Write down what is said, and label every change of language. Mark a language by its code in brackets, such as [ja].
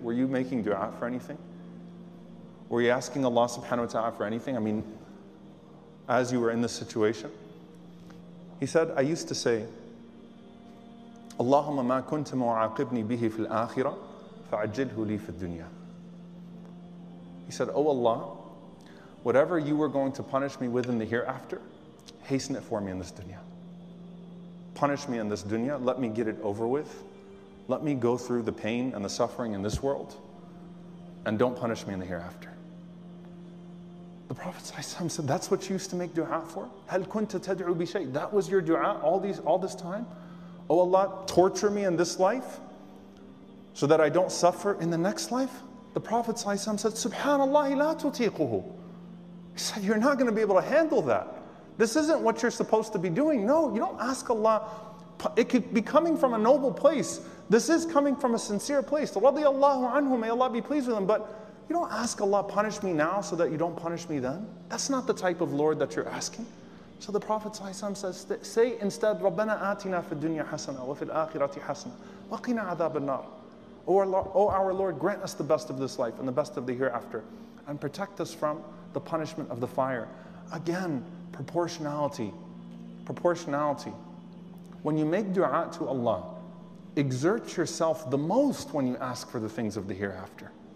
[en] Were you making dua for anything? Were you asking Allah subhanahu wa ta'ala for anything? I mean, as you were in this situation? He said, I used to say, [ar] اللهم ما كنت معاقبني به في الآخرة فعجله لي في الدنيا. [en] He said, oh Allah, whatever you were going to punish me with in the hereafter, hasten it for me in this dunya. Punish me in this dunya, let me get it over with. Let me go through the pain and the suffering in this world, and don't punish me in the hereafter. The Prophet said, that's what you used to make dua for? [ar] هل كنت تدعو بشيء? [en] That was your dua all this time? Oh Allah, torture me in this life so that I don't suffer in the next life? The Prophet said, SubhanAllah, [ar] لا تطيقه. [en] He said, you're not going to be able to handle that. This isn't what you're supposed to be doing. No, you don't ask Allah. It could be coming from a noble place. This is coming from a sincere place. Radiallahu anhu, may Allah be pleased with him. But you don't ask Allah, punish me now so that you don't punish me then. That's not the type of Lord that you're asking. So the Prophet ﷺ says, say instead, [ar] رَبَّنَا آتِنَا فِي الدُّنْيَا حَسَنَةً وَفِي الْآخِرَةِ حَسَنَةً وَقِنَا عَذَابَ النَّارِ. [en] Oh, our Lord, grant us the best of this life and the best of the hereafter, and protect us from the punishment of the fire. Again, proportionality. Proportionality. When you make dua to Allah, exert yourself the most when you ask for the things of the hereafter.